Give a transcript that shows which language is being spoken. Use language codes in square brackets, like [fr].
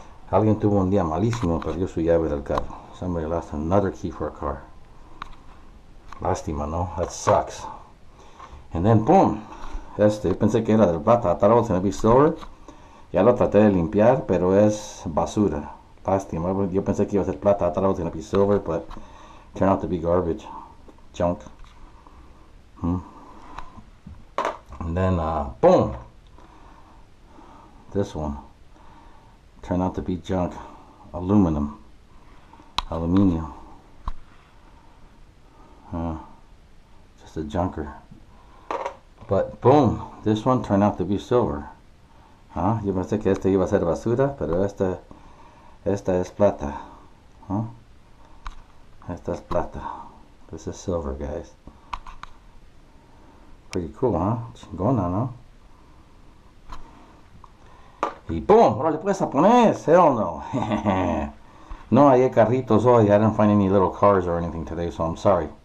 [es] Alguien tuvo un día malísimo, perdió su llave del carro, [en] somebody lost another key for a car, [es] lástima, no, [en] that sucks. And then boom, [es] este, pensé que era del bata, [en] I thought it was gonna be silver. [es] Ya lo traté de limpiar, pero es basura. Lástima, yo pensé que iba a ser plata, [en] I thought it was gonna be silver, but turned out to be garbage. Junk. And then, boom! This one. Turned out to be junk. Aluminum. Aluminio. Just a junker. But, boom! This one turned out to be silver. [es] Ah, yo pensé que este iba a ser basura, pero esta es plata. [en] Huh? [es] Esta es plata. [en] This is silver, guys. Pretty cool, huh? [es] Chingona, ¿no? Y pum, ahora le puedes poner, hell no. No, hay carritos hoy. [en] I didn't find any little cars or anything today, so I'm sorry.